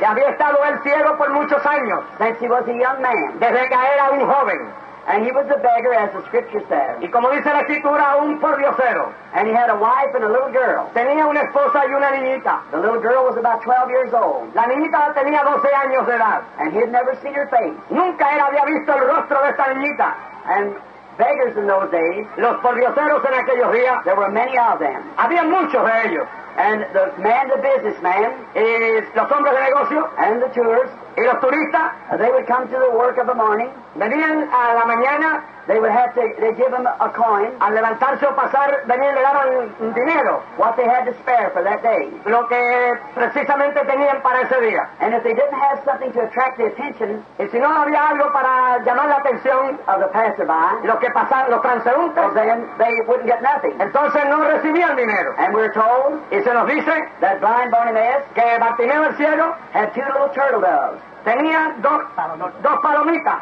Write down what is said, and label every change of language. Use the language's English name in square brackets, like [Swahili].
[Spanish] Y había estado el ciego por muchos años. [English] Since he was a young man. [Spanish] Desde que era un joven. [English] And he was a beggar, as the scripture says. [Spanish] Y como dice la escritura, un pordiosero. [English] And he had a wife and a little girl. [Spanish] Tenía una esposa y una niñita. [English] The little girl was about 12 years old. [Spanish] La niñita tenía 12 años de edad. [English] And he had never seen her face. [Spanish] Nunca él había visto el rostro de esta niñita. [English] And beggars in those days. [Spanish] Los pordioseros en aquellos días. [English] There were many of them. [Spanish] Había muchos de ellos. [English] And the man, the businessman. [Spanish] Y los hombres de negocio. [English] And the tourists. [Spanish] Y los turistas. [English] They would come to the work of the morning. [Spanish] Venían a la mañana. [English] They would have to, they'd give them a coin. [Spanish] Al levantarse o pasar, venían, le daban dinero. [English] What they had to spare for that day. [Spanish] Lo que precisamente tenían para ese día. [English] And if they didn't have something to attract the attention. [Spanish] Y si no había algo para llamar la atención. [English] Of the passerby. [Spanish] Los que pasaban, los transeúntes. [English] Then they wouldn't get nothing. [Spanish] Entonces no recibían dinero. [English] And we're told. [Spanish] Y se se nos dice [English] that blind Bartimaeus [Spanish] que Bartimeo el Ciego [English] had two little turtle doves. [Spanish] Tenía dos palomitas.